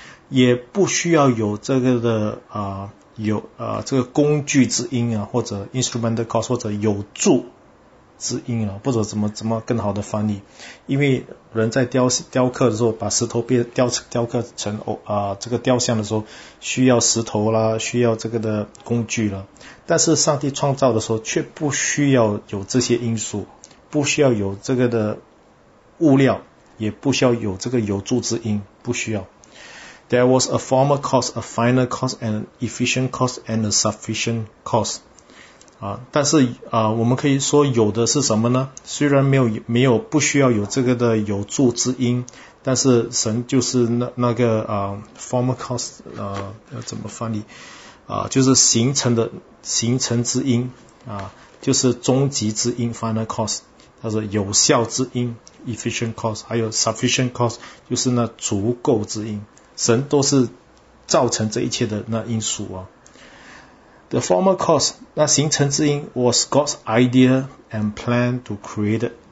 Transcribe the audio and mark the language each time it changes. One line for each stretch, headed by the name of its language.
Chinese: 也不需要有这个的这个工具之因啊，或者 instrumental cause 或者有助之因啊，或者怎么更好的翻译，因为人在雕刻的时候，把石头雕刻成这个雕像的时候，需要石头啦，需要这个的工具了，但是上帝创造的时候却不需要有这些因素，不需要有这个的物料，也不需要有这个有助之因，不需要。
English: There was a formal cause, a final cause, and an efficient cause, and a sufficient cause.
Chinese: 啊，但是啊，我们可以说有的是什么呢？虽然没有不需要有这个的有助之因，但是神就是那个formal cause 要怎么翻译啊？就是形成之因啊，就是终极之因 final cause， 它是有效之因 efficient cause， 还有 sufficient cause 就是那足够之因。神都是造成这一切的那因素啊。
English: The former cause,
Chinese: 那形成之因
English: was God's idea and plan to create